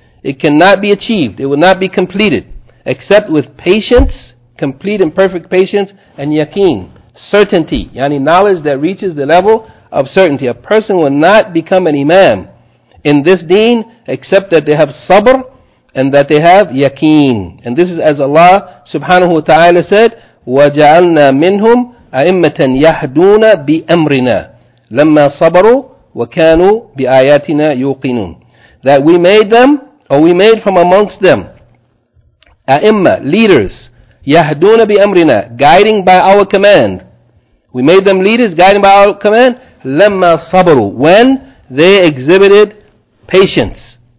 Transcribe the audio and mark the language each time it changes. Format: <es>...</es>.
<en>It cannot be achieved, it will not be completed, except with patience, complete and perfect patience, and yaqeen, certainty, yani knowledge that reaches the level of certainty. A person will not become an imam in this deen except that they have sabr and that they have yaqeen. And this is as Allah subhanahu wa ta'ala said,</en> <ar>وَجَعَلْنَا مِنْهُمْ أَئِمَّةً يَحْدُونَ بِأَمْرِنَا لَمَّا صَبَرُوا وَكَانُوا بِآيَاتِنَا يُوقِنُونَ.</ar> <en>That we made them, or we made from amongst them, أَئِمَّة, leaders,</en> <ar>يَهْدُونَ بِأَمْرِنَا,</ar> <en>guiding by our command. We made them leaders, guiding by our command.</en> <ar>لَمَّا صَبَرُوا,</ar> <en>when they exhibited patience.</en>